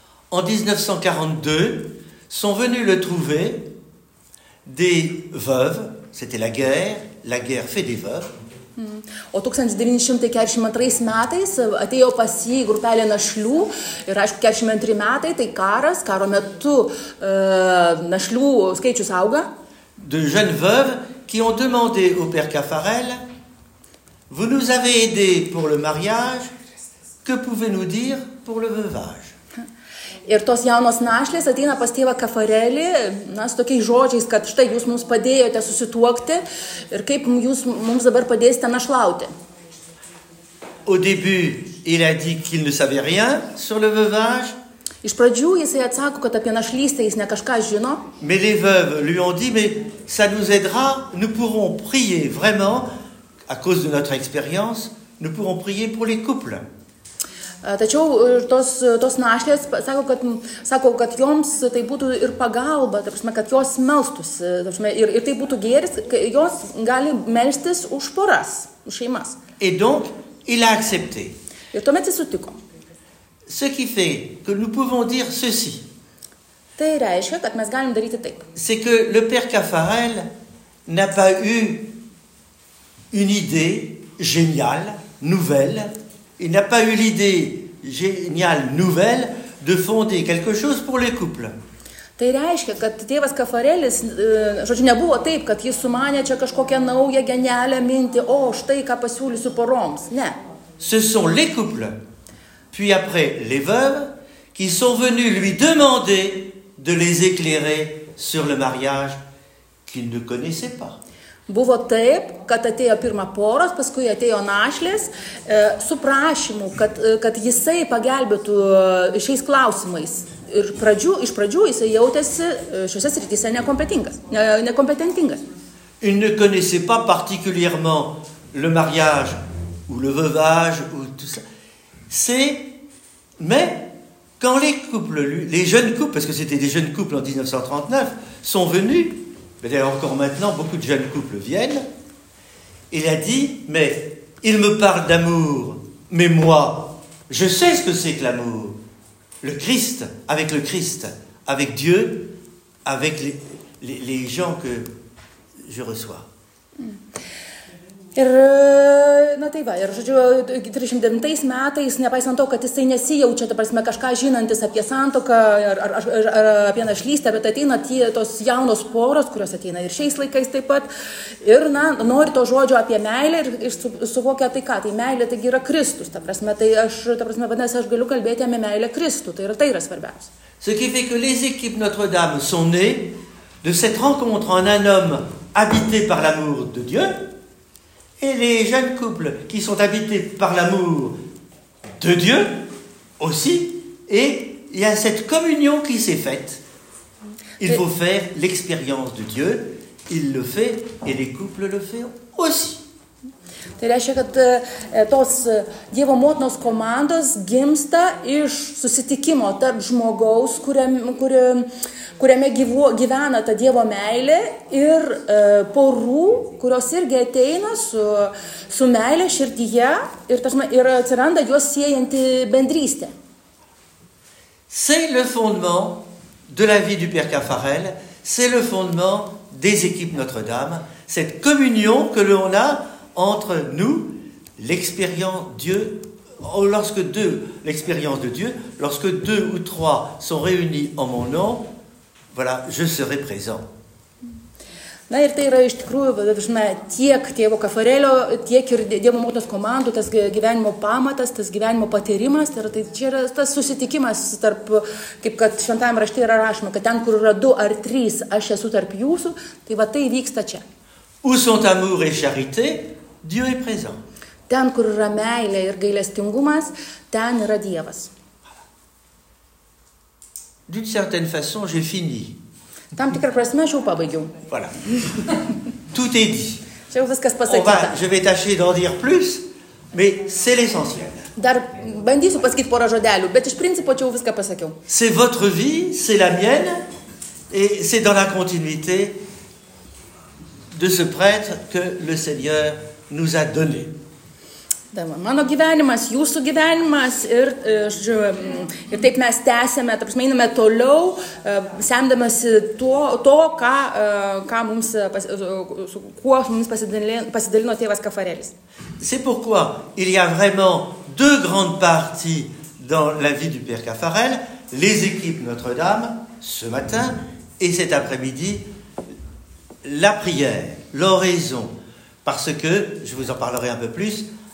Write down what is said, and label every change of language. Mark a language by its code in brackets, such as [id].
[fr] En 1942, sont venus le trouver des veuves. C'était la guerre fait des veuves. [lt] O 1942 metais atėjo pas jį grupelė našlių, ir aišku, 42 metai, tai karas, karo metu našlių skaičius auga. [fr] De jeunes veuves qui ont demandé au père Caffarel, vous nous avez aidé pour le mariage, que pouvez-nous dire pour le veuvage? [lt] Ir tos jaunos našlės ateina pas tėvą Kafarelį, na, su tokiais žodžiais, kad štai jūs mums padėjote susituokti ir kaip jūs mums dabar padėsite našlauti. [fr] Au début, il a dit qu'il ne savait rien sur le veuvage. [lt] Iš pradžių jis atsako, kad apie našlystę jis ne kažką žino. [fr] Mais les veuves lui ont dit, mais ça nous aidera, nous pourrons prier vraiment, à cause de notre expérience, nous pourrons prier pour les couples. [lt] Tačiau tos našlės sako, kad joms tai būtų ir pagalba, kad jos melstųsi, ir tai būtų gėris, jos gali melstis už poras, už šeimas. [fr] Et donc, il a accepté. [lt] Ir tuomet jis sutiko. [fr] Ce qui fait que nous pouvons dire ceci. [lt] Tai reiškia, kad mes galim daryti taip. [fr] C'est que le père Caffarel n'a pas eu une idée géniale, nouvelle. Il n'a pas eu l'idée géniale, nouvelle, de fonder quelque chose pour les couples. [lt] Tai reiškia, kad tėvas Kafarelis, žodžiu, nebuvo taip, kad jis sumanė čia kažkokią naują genialią mintį, o štai ką pasiūlysiu poroms. Ne. [fr] Ce sont les couples, puis après les veuves, qui sont venus lui demander de les éclairer sur le mariage qu'ils ne connaissaient pas. [lt] Buvo taip, kad atėjo pirma poros, paskui atėjo našlės, su prašymu, kad jisai pagelbėtų šiais klausimais. Ir iš pradžių jisai jautėsi šiose srityse nekompetentingas. [fr] Il ne connaissait pas particulièrement le mariage ou le veuvage ou tout ça. C'est mais quand les couples, les jeunes couples, parce que c'était des jeunes couples en 1939, sont venus. D'ailleurs, encore maintenant, beaucoup de jeunes couples viennent. Il a dit, mais il me parle d'amour, mais moi, je sais ce que c'est que l'amour. Le Christ, avec Dieu, avec les gens que je reçois. [lt] Ir, na tai va, ir žodžiu, 39 metais, nepaisant to, kad jisai nesijaučia, ta prasme, kažką žinantis apie santoką ar apie našlystę, bet ateina tos jaunos poros, kurios ateina ir šiais laikais taip pat, ir, na, nori to žodžio apie meilę ir suvokia, tai ką, tai meilė, taigi yra Kristus, ta prasme, tai aš, ta prasme, vadinasi, aš galiu kalbėti apie meilę Kristų, tai yra svarbiausia. [fr] Ce qui fait que les équipes Notre-Dame sont nées de cette rencontre en un homme habité par l'amour de Dieu. Et les jeunes couples qui sont habités par l'amour de Dieu aussi, et il y a cette communion qui s'est faite. Il faut faire l'expérience de Dieu, il le fait, et les couples le font aussi. [lt] Tai reiškia, kad tos Dievo motinos komandos gimsta iš susitikimo tarp žmogaus, kuriame gyvena ta Dievo meilė, ir porų, kurios irgi ateina su meilė širdyje, ir atsiranda juos siejanti bendrystė. [fr] C'est le fondement de la vie du Père Caffarel, c'est le fondement des équipes Notre-Dame, cette communion que l'on a entre nous, l'expérience Dieu, lorsque deux ou trois sont réunis en mon nom, voilà, je serai présent. [lt] Na ir tai yra iš tikrųjų, žinai, tiek Tėvo Kafarelio, tiek ir Dievo motinos komandų, tas gyvenimo pamatas, tas gyvenimo patyrimas, tai, yra, tai čia yra tas susitikimas tarp, kaip kad šventajame rašte yra rašoma, kad ten, kur yra du ar trys, aš esu tarp jūsų, tai va tai vyksta čia. [fr] Où sont amour et charité, Dieu est présent. [lt] Ten, kur yra meilė ir gailestingumas, ten yra Dievas. [fr] D'une certaine façon, j'ai fini. [lt] Tam tikrą prasme, aš jau pabaigiau. [fr] Voilà. Tout est dit. [lt] Čia jau viskas pasakyta. [fr] Je vais tâcher d'en dire plus, mais c'est l'essentiel. [lt] Dar bandysiu pasakyti porą žodelių, bet iš principo čia jau viską pasakiau. [fr] C'est votre vie, c'est la mienne, et c'est dans la continuité de ce prêtre que le Seigneur nous a donné. [lt] Mano gyvenimas, jūsų gyvenimas ir, ir taip mes tęsiame, taip einame toliau, semdamasi to, ką, ką mums, su kuo mums pasidalino tėvas Kafarelis. [fr] C'est pourquoi il y a vraiment deux grandes parties dans la vie du Père Cafarel, les équipes Notre-Dame, ce matin, et cet après-midi, la prière, l'oraison, parce que, je vous en parlerai un peu plus,